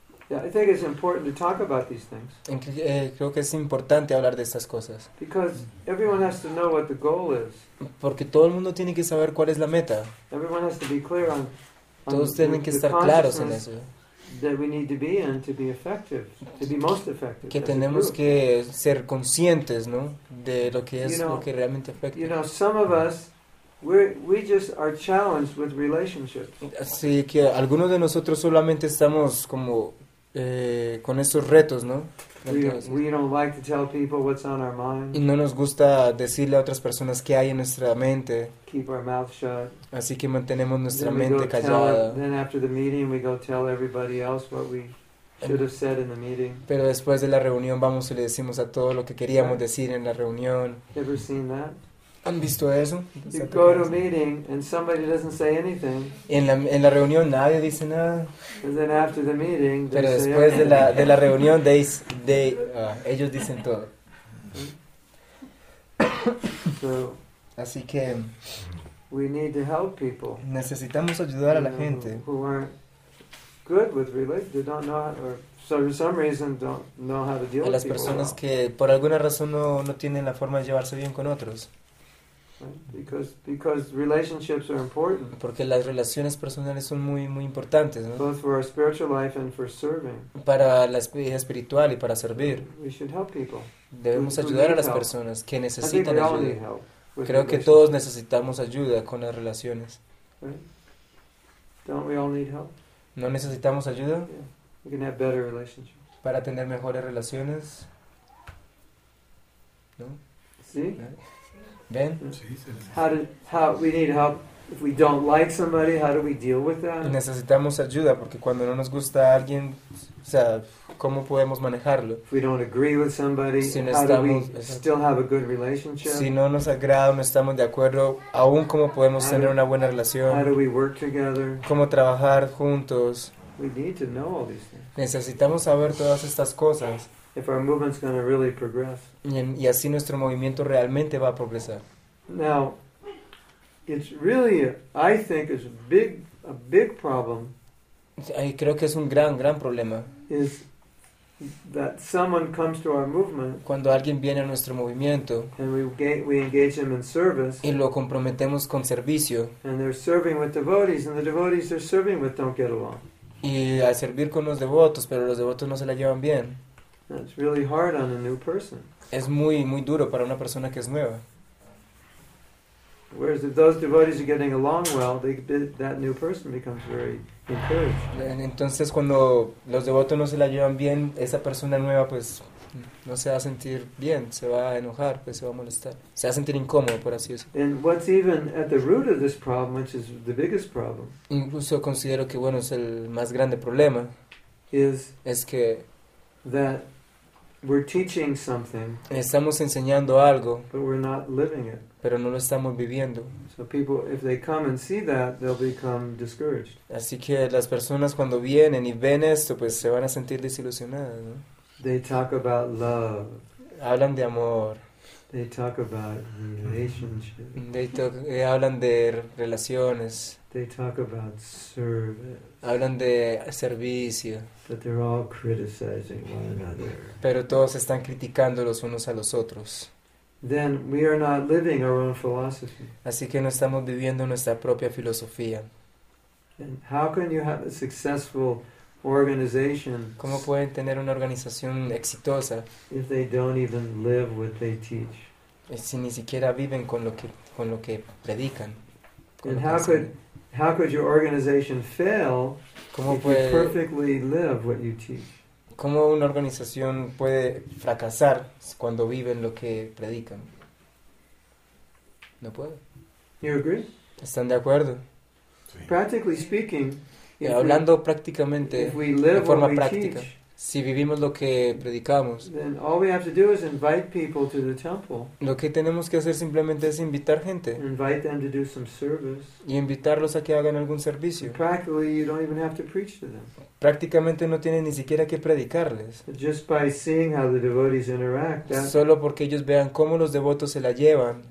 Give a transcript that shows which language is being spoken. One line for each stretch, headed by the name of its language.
English: Yeah, I think it's important to talk about these things.
Spanish: Creo que es importante hablar de estas cosas.
English: Because everyone has to know what the goal is.
Spanish: Porque todo el mundo tiene que saber cuál es la meta.
English: Everyone has to be clear on.
Spanish: Todos tienen que estar claros en eso.
English: That we need to be in to be effective, to be most effective.
Spanish: Que tenemos que ser conscientes, ¿no? De lo que es lo que realmente afecta.
English: You know, some of us. We just are challenged with relationships.
Spanish: Así que algunos de nosotros solamente estamos como con esos retos, ¿no?
English: We don't like to tell people what's on our mind.
Spanish: Y no nos gusta decirle a otras personas qué hay en nuestra mente.
English: Keep our mouth shut.
Spanish: Así que mantenemos nuestra mente callada.
English: Then after the meeting, we go tell everybody else what we should have said in the meeting.
Spanish: Pero después de la reunión vamos y le decimos a todo lo que queríamos decir en la reunión.
English: Ever seen that?
Spanish: ¿Han visto eso?
English: You go to a meeting and somebody doesn't say anything.
Spanish: En la reunión nadie dice nada.
English: And then after the meeting, they
Spanish: pero después
English: say
Spanish: de la reunión ellos dicen todo.
English: So,
Spanish: así que
English: we need to help people.
Spanish: Necesitamos ayudar a la gente.
English: Who aren't good with religion, don't know how, or for some reason don't know how to deal with people.
Spanish: A las personas que por alguna razón no tienen la forma de llevarse bien con otros.
English: Because relationships are important.
Spanish: Porque las relaciones personales son muy muy importantes, ¿no?
English: Both for our spiritual life and for serving.
Spanish: Para la vida espiritual y para servir.
English: We should help people.
Spanish: Debemos ayudar a las personas que necesitan ayuda. Creo que todos necesitamos ayuda con las relaciones.
English: Right? Don't we all need help?
Spanish: ¿No necesitamos ayuda?
English: Yeah. We can have better relationships.
Spanish: Para tener mejores relaciones, ¿no? Sí. ¿Eh? Ben?
English: How we need help if we don't like somebody, how do we deal with that?
Spanish: Necesitamos ayuda porque cuando no nos gusta a alguien, o sea, ¿cómo podemos manejarlo?
English: If we don't agree with somebody,
Spanish: si no
English: how
Spanish: estamos,
English: do we still have a good relationship?
Spanish: Si no nos agrada, no estamos de acuerdo, aún cómo podemos
English: how
Spanish: tener
English: do,
Spanish: una buena relación?
English: How do we work together?
Spanish: ¿Cómo trabajar juntos?
English: We need to know all these things.
Spanish: Necesitamos saber todas estas cosas.
English: If our movement's going to really progress.
Spanish: Y así nuestro movimiento realmente va a progresar.
English: Now, it's really, I think, it's a big problem.
Spanish: Y creo que es un gran, gran problema.
English: Is that someone comes to our movement.
Spanish: Cuando alguien viene a nuestro movimiento.
English: And we engage them in service.
Spanish: Y lo comprometemos con servicio.
English: And they're serving with devotees, and the devotees they're serving with don't get along.
Spanish: Y a servir con los devotos, pero los devotos no se la llevan bien.
English: That's really hard on a new person.
Spanish: Es muy muy duro para una persona que es nueva.
English: Whereas if those devotees are getting along well, that new person becomes very encouraged.
Spanish: Entonces cuando los devotos no se la llevan bien, esa persona nueva pues no se va a sentir bien, se va a enojar, pues se va a molestar, se va a sentir incómodo, por así decirlo.
English: And what's even at the root of this problem, which is the biggest problem.
Spanish: Incluso considero que bueno es el más grande problema.
English: Is
Spanish: es que
English: that We're teaching something.
Spanish: Estamos enseñando algo.
English: But we're not living it.
Spanish: Pero no lo estamos viviendo.
English: So people, if they come and see that, they'll become discouraged.
Spanish: Así que las personas cuando vienen y ven esto, pues se van a sentir desilusionadas, ¿no?
English: They talk about love.
Spanish: Hablan de amor.
English: They talk about relationships.
Spanish: Hablan de relaciones.
English: They talk about service.
Spanish: Hablan de servicio.
English: But they're all criticizing one another.
Spanish: Pero todos están criticando los unos a los otros.
English: Then we are not living our own philosophy.
Spanish: Así que no estamos viviendo nuestra propia filosofía.
English: And how can you have a successful organization?
Spanish: ¿Cómo pueden tener una organización exitosa?
English: If they don't even live what they teach.
Spanish: Si ni siquiera viven con lo que predican.
English: And how could your organization fail if you perfectly live what you teach?
Spanish: ¿Cómo una organización puede fracasar cuando viven lo que predican? No puede.
English: You agree?
Spanish: ¿Están de acuerdo?
English: Sí. Practically speaking,
Spanish: hablando prácticamente, de forma práctica, si vivimos lo que predicamos,
English: then all we have to do is invite people to the temple.
Spanish: Lo que tenemos que hacer simplemente es invitar gente.
English: Invite them to do some service.
Spanish: Y invitarlos a que hagan algún servicio.
English: Practically, you don't even have to preach to them.
Spanish: Prácticamente no tienen ni siquiera que predicarles.
English: Just by seeing how the devotees interact, that,
Spanish: solo porque ellos vean cómo los devotos se la llevan,